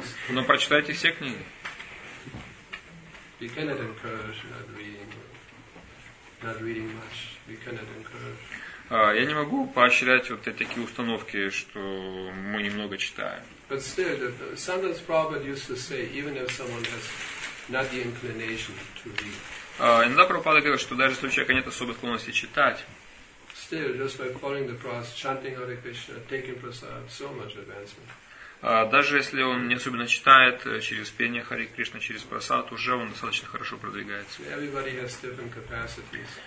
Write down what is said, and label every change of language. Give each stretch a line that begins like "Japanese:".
Russian: Но прочитайте все книги.
English: We cannot encourage not reading much. We cannot encourage.
Russian: Я не могу поощрять вот эти такие установки, что мы немного читаем.
English: But still, sometimes Prabhupada used to say, even if someone has not the inclination to read.
Russian: Иногда Прабхупада говорит, что даже если у человека нет особой склонности читать,
English: still, just by following the process, chanting Hare Krishna, taking prasad, so much advancement.
Russian: Даже если он не особенно читает, через пение Хари Кришна, через прасад, уже он достаточно хорошо продвигается.
English: Everybody has different capacities.